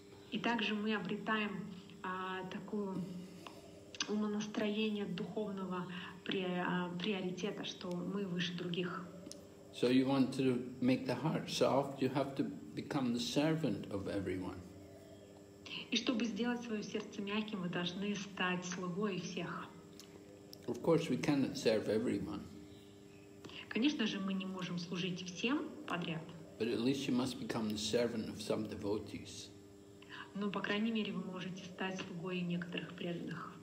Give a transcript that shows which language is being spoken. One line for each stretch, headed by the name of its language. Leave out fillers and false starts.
Russian: И также мы обретаем такое умонастроение духовного приоритета, что мы выше других.
English: So you want to make the heart soft, you have to become the servant of everyone.
Russian: И чтобы сделать свое сердце мягким, мы должны стать слугой всех.
English: Of course, we cannot serve everyone.
Russian: Конечно же, мы не можем служить всем подряд.
English: But at least you must become the servant of some devotees.
Russian: Но, по крайней мере, вы можете стать слугой некоторых преданных.